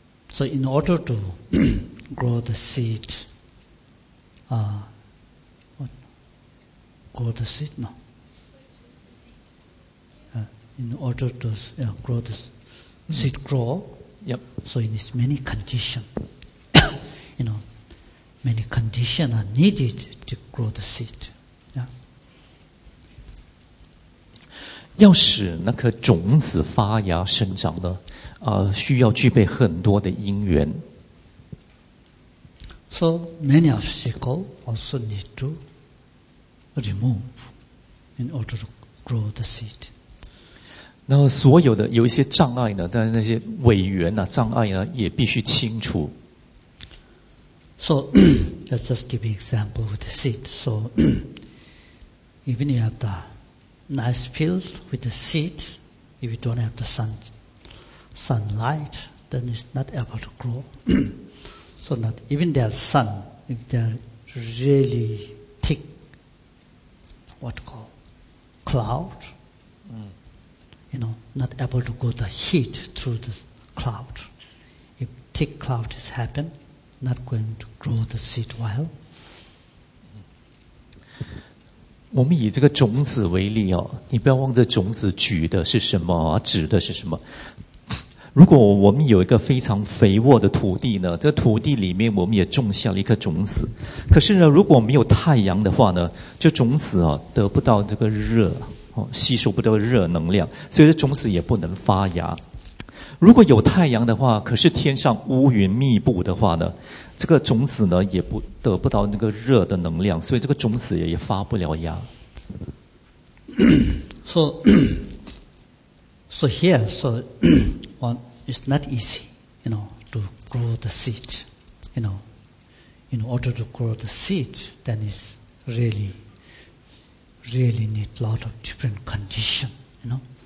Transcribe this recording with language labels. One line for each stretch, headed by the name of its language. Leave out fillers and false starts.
English: So in order to grow the seed, Grow the seed, no. in order to grow the seed grow. Yep. So it needs many conditions. You know, many conditions are needed to grow the seed.
Chinese: 要使那颗种子发芽生长呢，需要具备很多的因缘。
English: So many obstacles also need to remove in order to grow the seed.
Chinese: 那所有的有一些障碍呢，但是那些委员啊、障碍呢，也必须清除。
English: So let's just give an example with the seed. So even you have the nice field with the seeds, if you don't have the sunlight, then it's not able to grow. So not even the sun, if they're really thick, what to call, cloud, you know, not able to go the heat through the cloud. If thick cloud has happened, not going to grow the seed well.
Chinese: 我们以这个种子为例哦，你不要忘这种子举的是什么，指的是什么。如果我们有一个非常肥沃的土地呢，这个土地里面我们也种下了一颗种子。可是呢，如果没有太阳的话呢，这种子啊得不到这个热，吸收不到热能量，所以这种子也不能发芽。如果有太阳的话，可是天上乌云密布的话呢，这个种子呢也不得不到那个热的能量，所以这个种子也发不了芽。
English: So here, so one is not easy, you know, to grow the seed, you know, in order to grow the seed, then it's really, really need lot of different condition, you know.